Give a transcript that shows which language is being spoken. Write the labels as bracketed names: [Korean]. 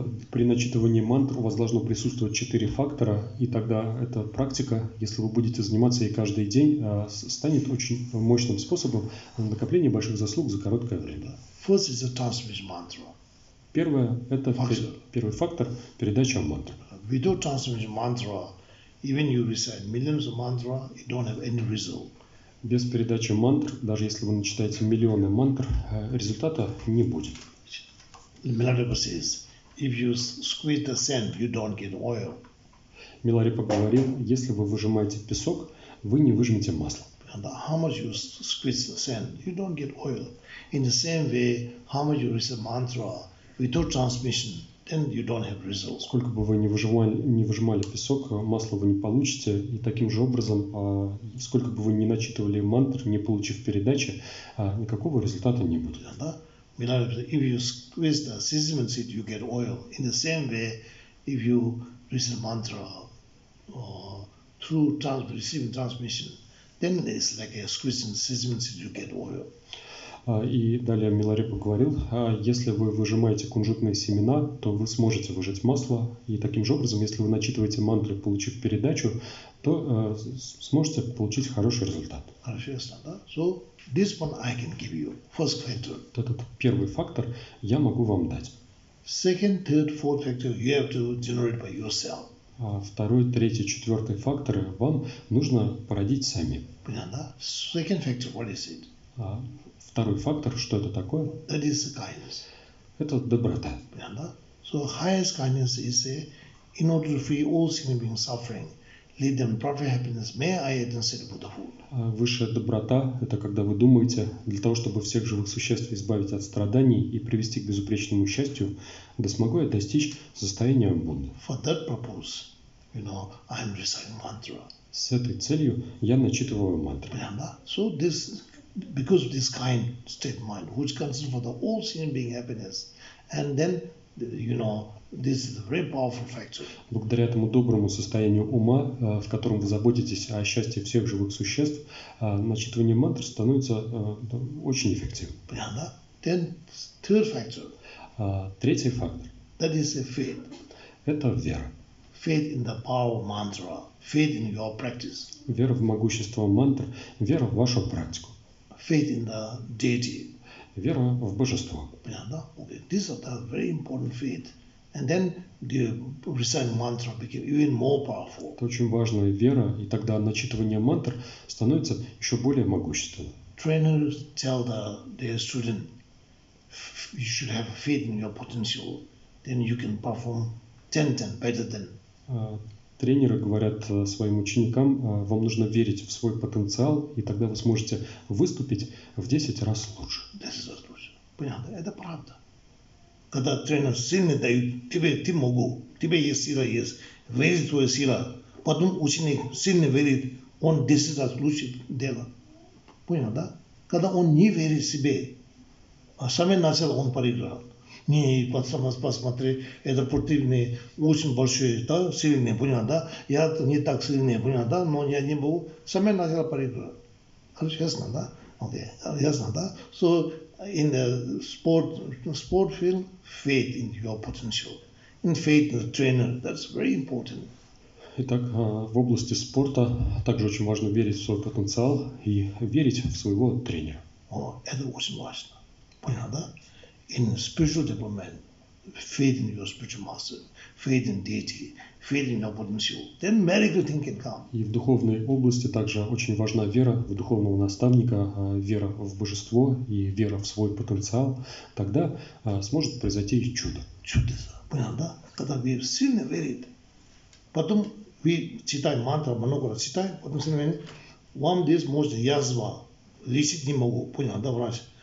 [Russian] При начитывании мантр у вас должно присутствовать четыре фактора, и тогда эта практика, если вы будете заниматься ей каждый день, станет очень мощным способом накопления больших заслуг за короткое время. [English] First is the transmission mantra. [Russian] Первое – это первый фактор – передача мантр. [English] Without transmission mantra, even you recite millions of mantra, you don't have any result. [Russian] Без передачи мантр, даже если вы начитаете миллионы мантр, результата не будет. [English] Миларипа says, if you squeeze the sand, you don't get oil. [Russian] Миларипа говорил, если вы выжимаете песок, вы не выжмете масло. [English] And how much you squeeze the sand, you don't get oil. In the same way, how much you recite mantra without transmission, then you don't have results. [Russian] Сколько бы вы не выжимали песок, масло вы не получите. И таким же образом, сколько бы вы не начитывали мантр, не получив передачи, никакого результата не будет. [English] And if you squeeze the sesame seed, you get oil. In the same way, if you receive mantra through receiving transmission, then it's like a squeezing sesame seed, you get oil. [Russian] И далее Миларепа говорил, если вы выжимаете кунжутные семена, то вы сможете выжать масло. И таким же образом, если вы начитываете мантры, получив передачу, то сможете получить хороший результат. [English] So, this one I can give you. First factor. [Russian] Этот первый фактор я могу вам дать. [English] Second, third, fourth factor you have to generate by yourself. [Russian] Второй, третий, четвертый факторы вам нужно породить сами. [English] Second factor, what is it? [Russian] Второй фактор, что это такое? [English] That is kindness. [Russian] Это доброта. [English] So highest kindness is in order to free all single beings suffering, lead them proper happiness. May I attain the Buddhahood? [Russian] Высшая доброта – это когда вы думаете, для того, чтобы всех живых существ избавить от страданий и привести к безупречному счастью, да смогу я достичь состояния Будды. [English] For that purpose, you know, I am reciting mantra. [Russian] С этой целью я начитываю мантру. [English] So this, because of this kind state of mind, which concerns for the all seeing being happiness, and then, you know, this is a very powerful factor. [Russian] Благодаря этому доброму состоянию ума, в котором вы заботитесь о счастье всех живых существ, начитывание мантр становится очень эффективным. [English] Then third factor. [Russian] Третий фактор. [English] That is a faith. [Russian] Это вера. [English] Faith in the power of mantra. Faith in your practice. [Russian] Вера в могущество мантр. Вера в вашу практику. [English] Faith in the deity. [Russian] Вера в божество. [English] These are the very important faith. And then the reciting mantra became even more powerful. [Russian] Это очень важная вера, и тогда начитывание мантр становится еще более могущественным. [English] Trainers tell their student, you should have faith in your potential, then you can perform 10 times better than. [Russian] Тренеры говорят своим ученикам, вам нужно верить в свой потенциал, и тогда вы сможете выступить в 10 раз лучше. [English] This is the solution. [Russian] Понятно, это правда. Когда тренер сильный дает тебе, ты могу, тебе есть сила, есть, верит твоя сила. Потом ученик сильно верит, он 10 раз лучше дело. Понял, да? Когда он не верит в себе, а сами начал, он проиграл. Не, посмотри, это противный, очень большой, да, сильный, понял, да? Я не так сильный, понял, да? Но я не был, сами начал проиграл. Хорошо, ясно, да? Окей, ясно, да? [English] So, in the sport field, faith in your potential. In faith in the trainer, that's very important. [Russian] Итак, в области спорта также очень важно верить в свой потенциал и верить в своего тренера. О, это очень важно. Понял, да? [English] In spiritual development, faith in your spiritual master, faith in deity, faith in your potential. Then miracle thing can come. [Russian] И в духовной области также очень важна вера в духовного наставника, вера в божество и вера в свой потенциал. Тогда сможет произойти и чудо. Чудеса. Понял, да? Когда вы сильно верите. Потом вы читаете мантру, много раз читаете, потом сильно вам здесь можно язва, лечить не могу, понял, да, врач?